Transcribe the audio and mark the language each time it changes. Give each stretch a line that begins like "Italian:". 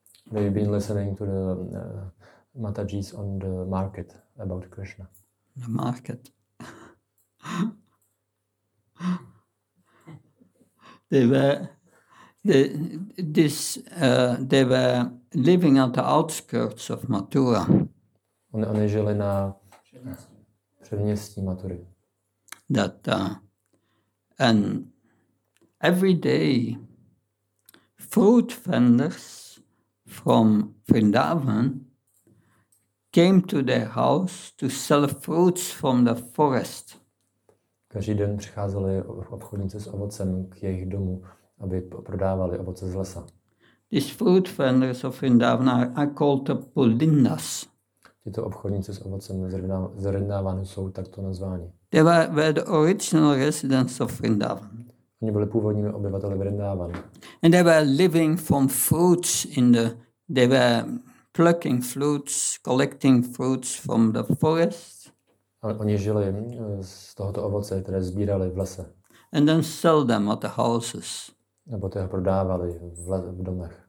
English: They've been listening to the Matajis on the market about Krishna. The market. They were living on the outskirts of Mathura.
Czech: Oni žili na předměstí Mathury.
English: That and every day, fruit vendors from Vrindavan came to their house to sell fruits from the forest.
Czech: Každý den přicházeli obchodníci s ovocem k jejich domu, aby prodávali ovoce z lesa.
English: These fruit vendors of Vrindavana are called the Pulindas.
Czech: Tyto obchodníci s ovocem z Vrindavanu jsou takto nazváni.
English: They were the original residents of Vrindavan.
Czech: Oni byli původními obyvateli Vrindavanu.
English: And they were living from fruits in the... They were plucking fruits, collecting fruits from the forest.
Czech: Oni žili z tohoto ovoce, které sbírali v lese.
English: And then sell them at the houses.
Czech: Nebo to prodávali v domech.